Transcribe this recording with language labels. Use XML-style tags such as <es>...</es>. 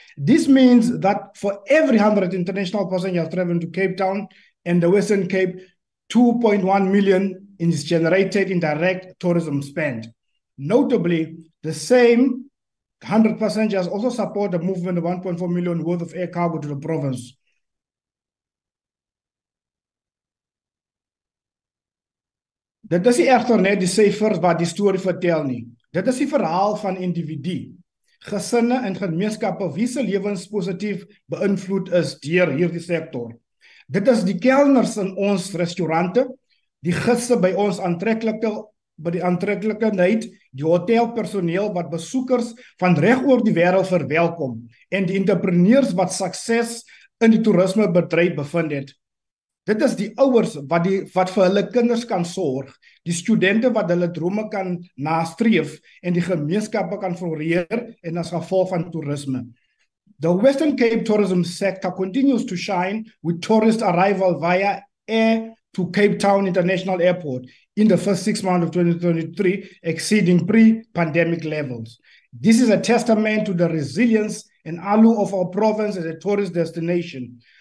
<en>This means that for every 100 international passengers traveling to Cape Town and the Western Cape, 2.1 million is generated in direct tourism spend. Notably, the same 100 passengers also support the movement of 1.4 million worth of air cargo to the province.</en> <af>Dit is egter net die syfers wat die storie vertel nie. Dit is die verhaal van individue, gesinne en gemeenskappe wie se lewens positief beïnvloed is deur hierdie sektor. Dit is die kelners in ons restaurante, die gidse by ons aantreklikheid, die hotelpersoneel wat besoekers van reg oor die wêreld verwelkom en die entrepreneurs wat sukses in die toerismebedryf bevind het. Dit is die ouers wat vir hulle kinders kan sorg, die studente wat hulle drome kan nastreef en die gemeenskappe kan floreer en as gevolg van toerisme.</af> <en>The Western Cape tourism sector continues to shine with tourist arrival via air to Cape Town International Airport in the first 6 months of 2023, exceeding pre-pandemic levels. This is a testament to the resilience and allure of our province as a tourist destination.</en>